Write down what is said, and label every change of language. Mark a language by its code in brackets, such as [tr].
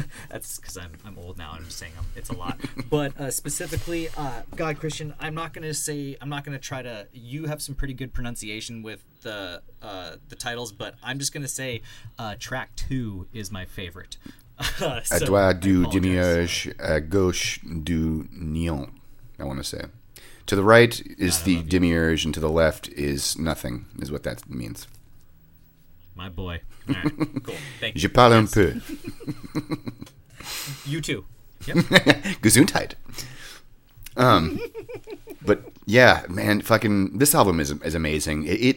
[en] that's because I'm old now. And I'm just saying it's a lot. But specifically, God, Christian, I'm not gonna try to. You have some pretty good pronunciation with the titles, but I'm just gonna say track two is my favorite. [fr] À toi du demiurge, à gauche du néant. [en] I want to say. To the right is the demiurge, and to the left is nothing, is what that means. My boy. All right, cool. Thank you. [fr] Je parle un peu. [en] You too. Gesundheit. But yeah, man, fucking, this album is amazing.